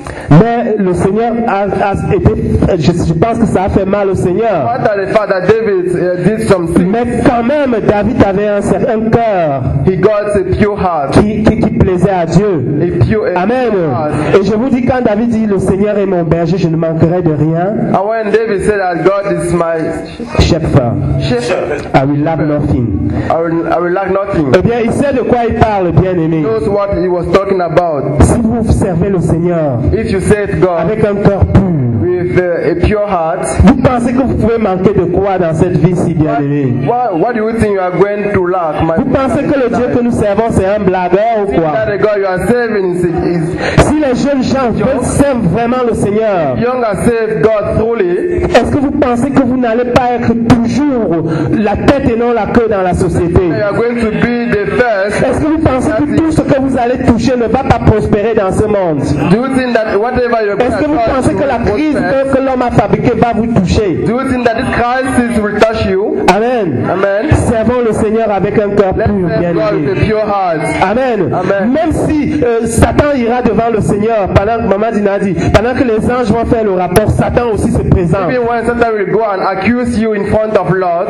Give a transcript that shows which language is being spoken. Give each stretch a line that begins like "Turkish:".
French: Mais le Seigneur a été, je pense que ça a fait mal au Seigneur.
English: David, did some sin.
French: Mais quand même, David avait un certain cœur.
English: He got a pure heart.
French: Qui plaisait à Dieu.
English: A pure, a amen. Pure heart.
French: Et je vous dis, quand David dit le Seigneur est mon berger, je ne manquerai de rien.
English: And when David said that God is my shepherd. Shepherd. I will lack nothing. I will lack nothing.
French: Eh bien, il sait de quoi il parle, bien aimé.
English: He knows what he was talking about.
French: Si vous servez le Seigneur,
English: if you said God,
French: avec un cœur pur,
English: with a pure heart,
French: vous pensez que vous pouvez manquer de quoi dans cette vie si bien aimée?
English: What do you think you are going to lack, my?
French: Vous pensez que le Dieu que nous servons c'est un blagueur ou quoi?
English: The God you are serving is
French: si les jeunes gens servent vraiment le Seigneur,
English: young serve God truly,
French: est-ce que vous pensez que vous n'allez pas être toujours la tête et non la queue dans la société?
English: You are going to be the first.
French: Est-ce que vous pensez que tout ce que vous allez toucher ne va pas prospérer dans ce monde?
English: Do you think that whatever you're going,
French: est-ce que vous pensez que la crise que l'homme a fabriqué va vous toucher?
English: Do you think that this crisis will touch you? Amen. Amen.
French: Servons le Seigneur avec un cœur pur, bien aimé. Amen. Amen. Même si Satan ira devant le Seigneur pendant que Maman Dina dit, pendant que les anges vont faire le rapport, Satan aussi se présente.
English: Even when Satan will go and accuse you in front of Lord,